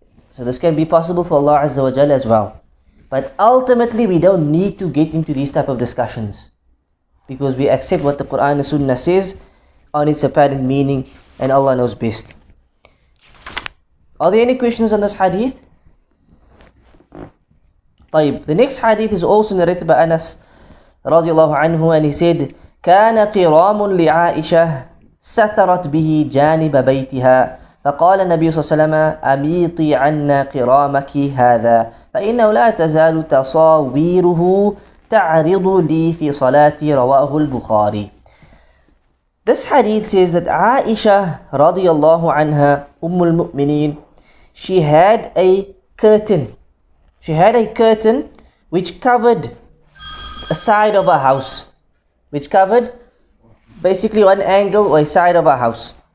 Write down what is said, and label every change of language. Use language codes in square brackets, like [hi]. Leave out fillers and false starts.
[en] So this can be possible for Allah Azza wa Jalla as well. But ultimately, we don't need to get into these type of discussions. Because we accept what the Quran and the Sunnah says on its apparent meaning, and Allah knows best. Are there any questions on this hadith? [ar] طيب. [en] The next hadith is also narrated by Anas radiallahu anhu, and he said, [ar] كان قرام لعائشة سترت به جانب بيتها فقال النبي صلى الله عليه وسلم أميطي عنا قرامك هذا فإنه لا تزال تصاويره تعرض لي في صلاتي رواه البخاري. [en] This hadith says that Aisha radiallahu anha, Umm al-Mu'mineen, she had a curtain. She had a curtain which covered a side of a house. Which covered basically one angle or a side of a house.